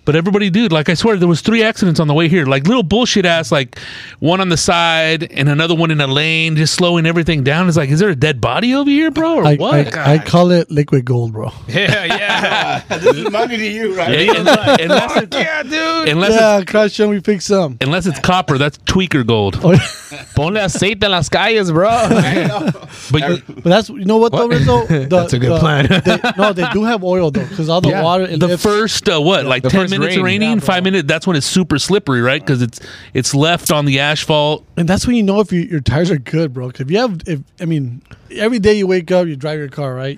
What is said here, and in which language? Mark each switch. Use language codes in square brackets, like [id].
[en] But everybody, dude, like I swear, there was three accidents on the way here. Like little bullshit ass, like one on the side and another one in a lane, just slowing everything down. It's like, is there a dead body over here, bro, or what? I call it liquid gold, bro. Yeah, yeah. Money to you, right? Yeah, unless crush them, we pick some. Unless it's copper, that's tweaker gold. [es] Ponle aceite en las calles, bro. [en] But that's, you know what, though, Rizzo? That's a good plan. They do have oil, though, because all the water. The first, 10 minutes of raining, 5 minutes, that's when it's super slippery, right? Because it's left on the asphalt. And that's when you know if your tires are good, bro. Because every day you wake up, you drive your car, right?